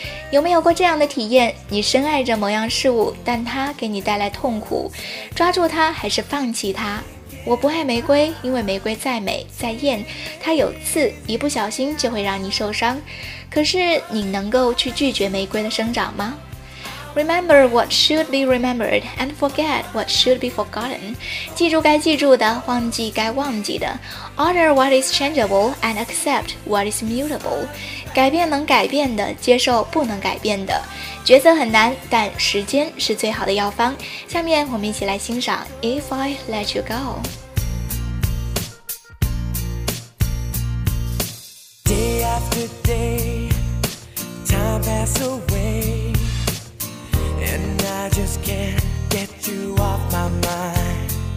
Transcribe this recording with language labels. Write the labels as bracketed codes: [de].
[zh] 有没有过这样的体验？你深爱着某样事物，但它给你带来痛苦，抓住它还是放弃它？我不爱玫瑰，因为玫瑰再美再艳，它有刺，一不小心就会让你受伤。可是你能够去拒绝玫瑰的生长吗？ [en] Remember what should be remembered and forget what should be forgotten， [zh] 记住该记住的，忘记该忘记的。 [en] Honor what is changeable and accept what is mutable， [zh] 改变能改变的，接受不能改变的。抉择很难，但时间是最好的药方。下面我们一起来欣赏 If I Let You Go。 [en] Day after day, time pass away, and I just can't get you off my mind.